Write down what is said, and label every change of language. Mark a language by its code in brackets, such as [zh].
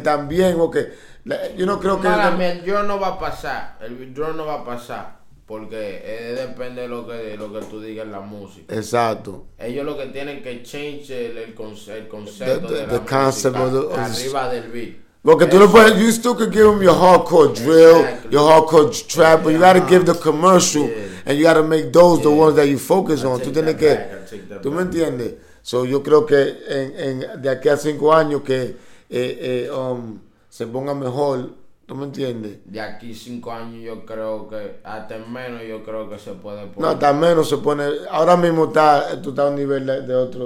[es] Y también, porque okay, yo no creo que... Mala mía, el drill no va a pasar, porque depende de lo que tú digas en la música. Exacto. Ellos lo que tienen que change el concepto arriba del beat. Porque tú no puedes, [en] you still can give them your hardcore drill, exactly. Your hardcore trap, but you gotta give the commercial, yeah. And you gotta make those the ones that you focus on. [es] Tú tienes que, ¿tú me entiendes? So yo creo que en de aquí a 5 años que se ponga mejor, ¿tú me entiendes? De aquí 5 años yo creo que hasta menos yo creo que se puede poner. No, hasta menos se pone. Ahora mismo tú estás a un nivel de otro.